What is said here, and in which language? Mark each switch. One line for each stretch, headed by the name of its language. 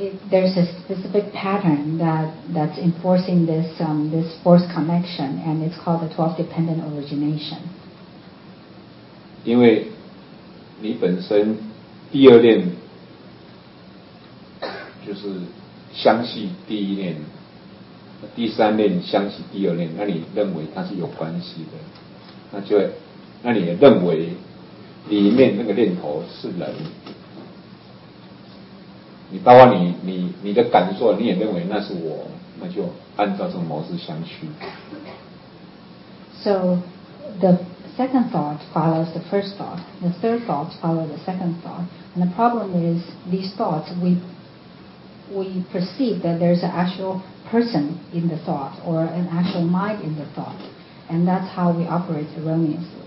English: There's a specific pattern that's enforcing this this force connection, and it's called the 12 dependent origination.
Chinese: 因为你本身第二念就是相续第一念，第三念相续第二念，那你认为它是有关系的，那你也认为里面那个念头是人。你包括你的感受，你也认为那是我，那就按照这种模式相续。
English: So the second thought follows the first thought, the third thought follows the second thought, and the problem is these thoughts we perceive that there's an actual person in the thought or an actual mind in the thought, and that's how we operate erroneously.